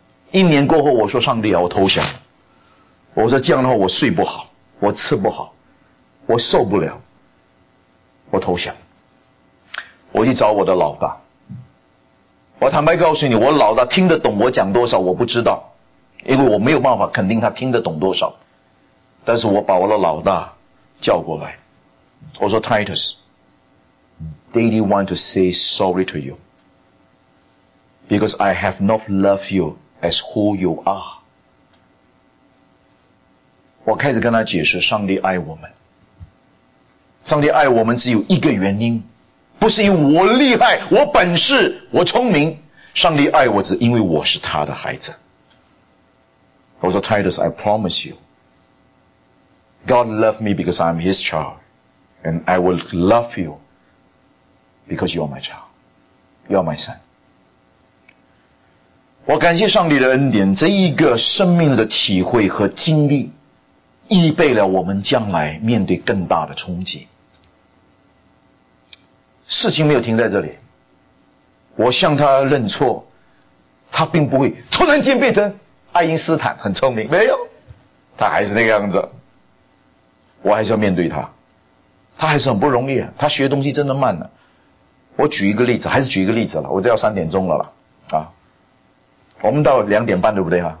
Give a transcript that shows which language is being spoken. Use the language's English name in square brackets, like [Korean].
[Chinese] 一年过后，我说上帝啊，我投降。我说这样的话我睡不好，我吃不好，我受不了，我投降。我去找我的老大，我坦白告诉你，我老大听得懂我讲多少我不知道，因为我没有办法肯定他听得懂多少。但是我把我的老大叫过来，我说 [English] Titus，Daddy want to say sorry to you because I have not loved you as who you are。 [Chinese] 我开始跟他解释，上帝爱我们，上帝爱我们只有一个原因，不是因为我厉害，我本事，我聪明，上帝爱我只因为我是他的孩子。我说 [English] Titus， I promise you God loved me because I'm his child and I will love youBecause you are my child, you are my son。 [Chinese] 我感谢上帝的恩典，这一个生命的体会和经历预备了我们将来面对更大的冲击。事情没有停在这里，我向他认错，他并不会突然间变成爱因斯坦很聪明，没有，他还是那个样子，我还是要面对他，他还是很不容易，他学东西真的慢了。我举一个例子，还是举一个例子了，我这要三点钟了啦，啊，我们到两点半对不对啊？